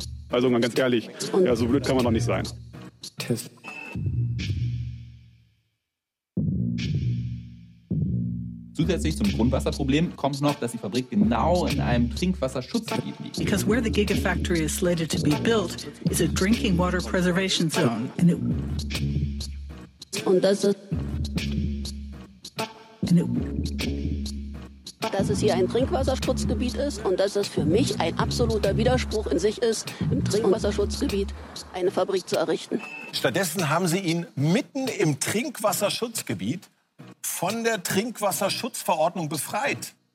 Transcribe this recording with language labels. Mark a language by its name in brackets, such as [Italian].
[German] Also mal ganz ehrlich, ja, so blöd kann man doch nicht sein. Zusätzlich zum Grundwasserproblem kommt noch, dass die Fabrik genau in einem Trinkwasserschutzgebiet liegt. [English] Because where the Gigafactory is slated to be built is a drinking water preservation zone. [German] Dass es hier ein Trinkwasserschutzgebiet ist und dass es für mich ein absoluter Widerspruch in sich ist, im Trinkwasserschutzgebiet eine Fabrik zu errichten. Stattdessen haben sie ihn mitten im Trinkwasserschutzgebiet von der Trinkwasserschutzverordnung befreit.